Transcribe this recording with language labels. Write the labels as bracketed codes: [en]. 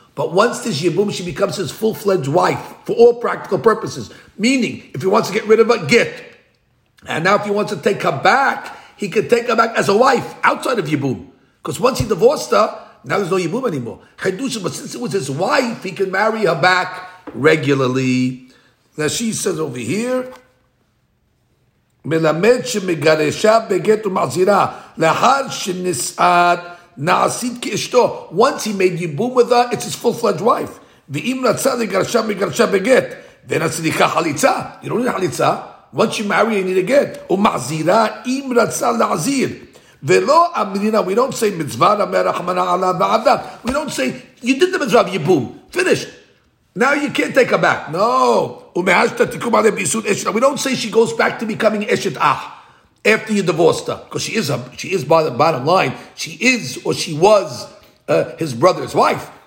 [en] But once this Yibum, she becomes his full-fledged wife for all practical purposes. Meaning, if he wants to get rid of her, get. And now if he wants to take her back, he could take her back as a wife outside of Yibum. Because once he divorced her, now there's no Yibum anymore. Chedusha, but since it was his wife, he can marry her back regularly. [he] Now she says over here, מלמד שמגרשה בגט ומחזירה לאחר שנשאת נעשית כאשתו. [en] Once he made Yibum with her, it's his full-fledged wife. [he] ואם רצה לגרשה מגרשה בגט, [en] then I [he] צריכה חליצה. [en] You don't need [he] חליצה. [en] Once you marry, you need a get. [he] ומחזירה אם רצה להחזיר. ולא אמרינה, [en] we don't say [he] מצווה מרחמנה עלה ועבדה. [en] We don't say, you did the מצווה of Yibum. Finished. Now you can't take her back. No. We don't say she goes back to becoming Eshet Ah after you divorced her. Because she is by the bottom line, she is or she was his brother's wife.